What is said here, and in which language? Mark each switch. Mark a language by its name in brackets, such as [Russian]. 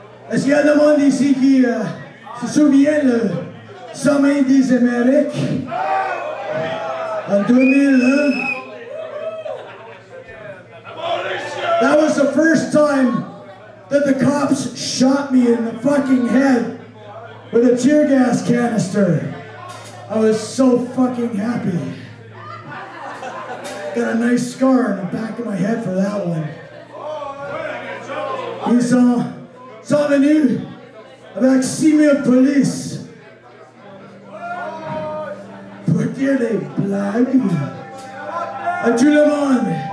[French] Est-ce qu'il y a des monde ici qui se souvient le sommet des Amériques en 2001? [English] That was the first time that the cops shot me in the fucking head with a tear gas canister. I was so fucking happy. Got a nice scar in the back of my head for that one. [French] Ils sont venus avec 6,000 police pour dire des blagues à tout le monde.